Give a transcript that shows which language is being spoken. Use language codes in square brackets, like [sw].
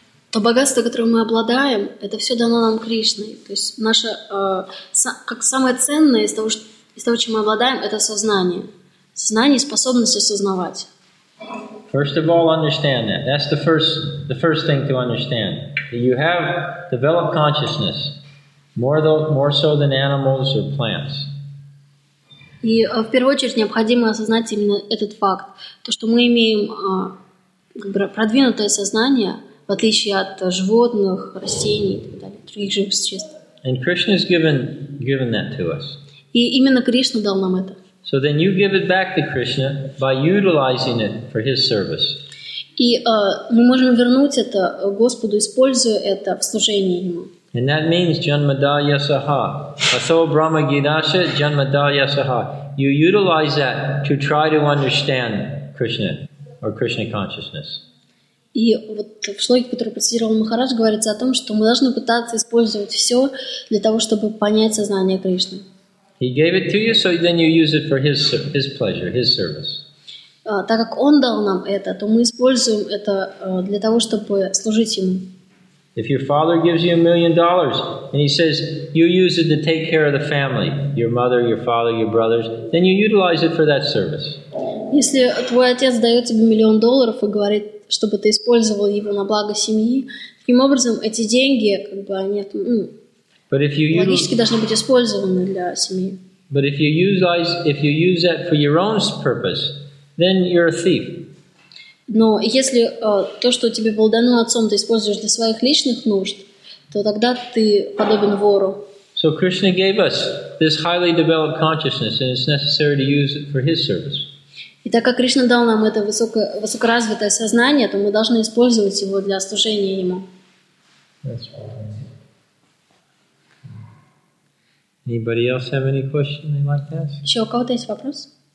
[ru] То богатство, которое мы обладаем, это все дано нам Кришной. То есть наше, как самое ценное из того, чем мы обладаем, это сознание. Сознание и способность осознавать. [en] First of all, understand that. That's the first thing to understand. You have developed consciousness, more so than animals or plants. [ru] И в первую очередь необходимо осознать именно этот факт. То, что мы имеем продвинутое сознание, в отличие от животных, растений и так далее, других живых существ. [en] And Krishna has given that to us. [ru] И именно Кришна дал нам это. [en] So then you give it back to Krishna by utilizing it for his service. [ru] И мы можем вернуть это Господу, используя это в служении ему. [en] And that means janmadaya saha. Aso brahma gidasha janmadaya saha. You utilize that to try to understand Krishna or Krishna consciousness. [ru] И вот в слоге, который процитировал Махарадж, говорится о том, что мы должны пытаться использовать все для того, чтобы понять сознание Кришны. [en] He gave it to you, so then you use it for his pleasure, his service. [ru] Так как он дал нам это, то мы используем это для того, чтобы служить ему. [en] If your father gives you $1 million and he says you use it to take care of the family, your mother, your father, your brothers, then you utilize it for that service. [ru] Если твой отец дает тебе $1 million и говорит, чтобы ты использовал его на благо семьи, таким образом эти деньги, как бы они логически должны быть использованы для семьи. [en] But if you use that for your own purpose, then you're a thief. [ru] Но если то, что тебе было дано отцом, ты используешь для своих личных нужд, то тогда ты подобен вору. [en] So Krishna gave us this highly developed consciousness, and it's necessary to use it for his service. [ru] И так как Кришна дал нам это высокоразвитое сознание, то мы должны использовать его для служения ему. [en] Anybody else have any question they'd like to ask? [ru] Еще у кого-то есть вопрос?